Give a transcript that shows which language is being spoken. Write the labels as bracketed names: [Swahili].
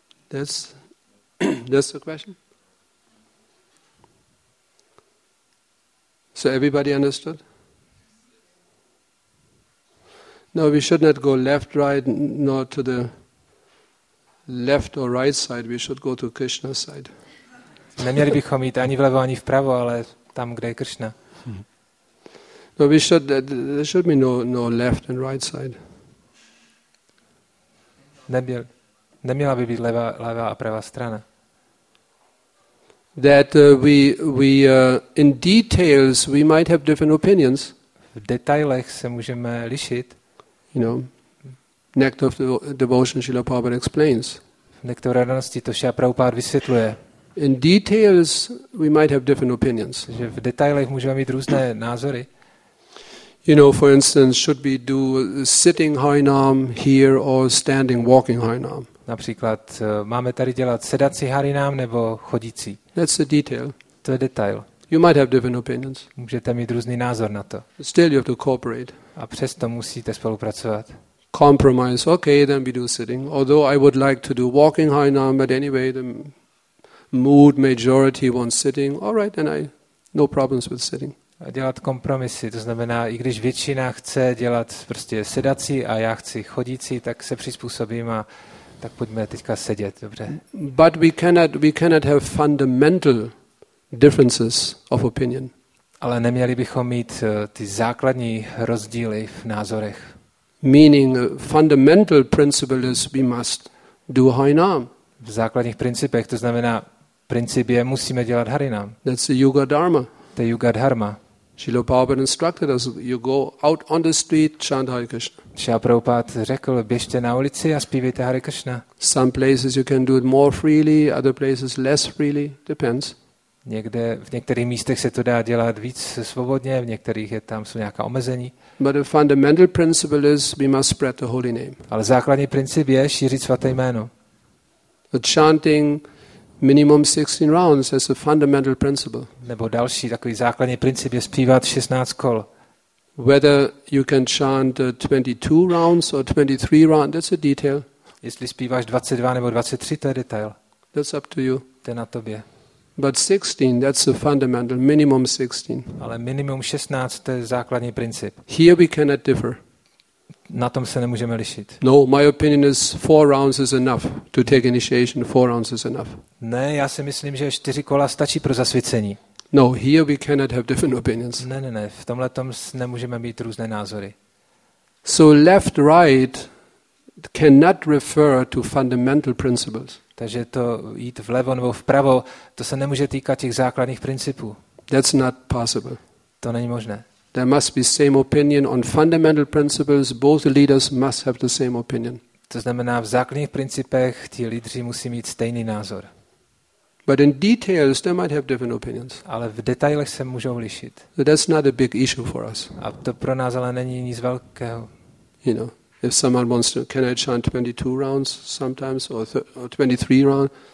[English] That's the question? So everybody understood? No, we should not go left, right, nor to the left or right side, we should go to Krishna's side. [Czech] Neměli bychom jít ani vlevo, ani vpravo, ale tam, kde je Krishna. [English] No, we should, there should be no left and right side. [Czech] Neměla by být levá a pravá strana. [English] That in details we might have different opinions. [Czech] V detailech se můžeme lišit. [English] You know, nectar of devotion, Srila Prabhupada explains. [Czech] Nektar radosti, to Srila Prabhupada vysvětluje. [English] In details we might have different opinions. [Czech] Že v detailech můžeme mít různé názory. [English] You know, for instance, should we do sitting harinam here or standing walking harinam? [Czech] Například máme tady dělat sedací harinám nebo chodící. [English] That's a detail. [Czech] To je detail. [English] You might have different opinions. [Czech] Můžete mít různý názor na to. [English] Still you have to cooperate. [Czech] A přesto musíte spolupracovat. [English] Compromise. Okay, then we do sitting. Although I would like to do walking harinam, but anyway the mood majority wants sitting. All right, then I no problems with sitting. [Czech] A dělat kompromisy, to znamená, i když většina chce dělat prostě sedací a já chci chodící, tak se přizpůsobím a tak pojďme teďka sedět, dobře. [English] But we cannot have fundamental differences of opinion. [Czech] Ale neměli bychom mít ty základní rozdíly v názorech. [English] Meaning fundamental principle is we must do harinam. [Czech] V základních principech, to znamená, princip je, musíme dělat harinam. [English] That's the yoga dharma. [Czech] To je yoga dharma. [English] Srila Prabhupada instructed us, you go out on the street, chant Hare Krishna. [Czech] Srila Prabhupada řekl, běžte na ulici a zpívejte Hare Krishna. [English] Some places you can do it more freely, other places less freely, depends. [Czech] Někde, v některých místech se to dá dělat víc svobodně, v některých je tam jsou nějaká omezení. [English] But the fundamental principle is we must spread the holy name. [Czech] Ale základní princip je šířit svaté jméno. [English] The chanting minimum 16 rounds as a fundamental principle. [Czech] Nebo další takový základní princip je zpívat 16 kol. [English] Whether you can chant 22 rounds or 23 rounds, that's a detail. [Czech] Jestli zpíváš 22 nebo 23, to je detail. [English] That's up to you. [Czech] To je na tobě. [English] But 16, that's a fundamental, minimum 16. [Czech] Ale minimum 16, to je základní princip. [English] Here we cannot differ. [Czech] Na tom se nemůžeme lišit. [English] No, my opinion is 4 rounds is enough to take initiation. 4 rounds is enough. [Czech] Ne, já si myslím, že 4 kola stačí pro zasvěcení. [English] No, here we cannot have different opinions. [Czech] Ne, v tomhle tom nemůžeme mít různé názory. [English] So left right cannot refer to fundamental principles. [Czech] Takže to jít vlevo nebo vpravo, to se nemůže týkat těch základních principů. [English] That's not possible. [Czech] To není možné. [English] There must be same opinion on fundamental principles. Both leaders must have the same opinion. [Czech] To znamená, v základních principech ti lídři musí mít stejný názor. [English] But in details they might have different opinions. [Czech] Ale v detailech se můžou lišit. [English] So that's not a big issue for us. [Czech] A to pro nás ale není nic velkého. [English] You know, if someone wants to, can I chant 22 rounds sometimes or 23 rounds?